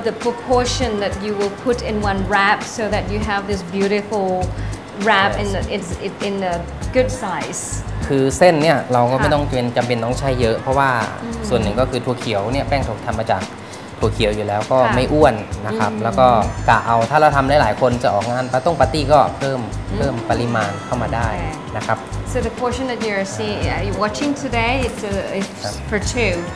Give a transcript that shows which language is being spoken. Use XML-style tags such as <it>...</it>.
<en>the proportion that you will put in one wrap so that you have this beautiful wrap yes. in the good size.</en> <th>คือเส้นเนี่ยเราก็ไม่ต้องจำเป็นต้องใช้เยอะเพราะว่าส่วนหนึ่งก็คือถั่วเขียวเนี่ยแป้งถั่วทำมาจากถั่วเขียวอยู่แล้วก็ไม่อ้วนนะครับแล้วก็กะเอาถ้าเราทำได้หลายคนจะออกงานปาต้งปาร์ตี้ก็เพิ่มปริมาณเข้ามาได้นะครับ</th> <en>So the portion that you're watching today it's for two.</en>